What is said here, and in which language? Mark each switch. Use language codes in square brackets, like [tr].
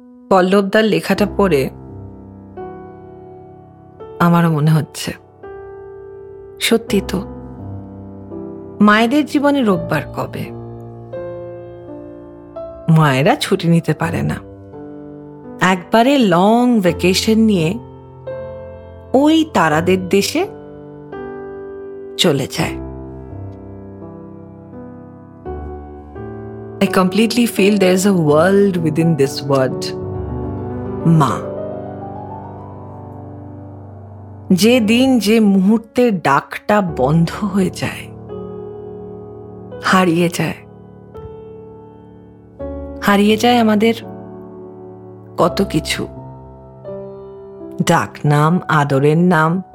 [bn] পল্লবদার লেখাটা পড়ে আমারও মনে হচ্ছে সত্যি তো, মায়েদের জীবনে রোববার কবে? মায়েরা ছুটি নিতে পারে না, একবারে লং ভ্যাকেশন নিয়ে ওই তারাদের দেশে চলে যায়। [en] I completely feel there's a world within this word, Ma. [bn] যে দিন যে মুহূর্তে ডাকটা বন্ধ হয়ে যায়, হারিয়ে যায়, হারিয়ে যায় আমাদের কত কিছু, ডাক নাম, আদরের নাম,